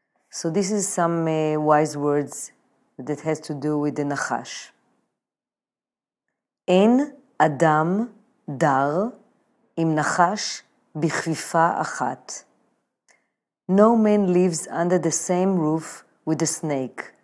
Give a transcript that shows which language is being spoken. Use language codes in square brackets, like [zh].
[en] So this is some wise words that has to do with the נחש. [he] אין אדם דר עם נחש בכפיפה אחת. [en] No man lives under the same roof with a snake.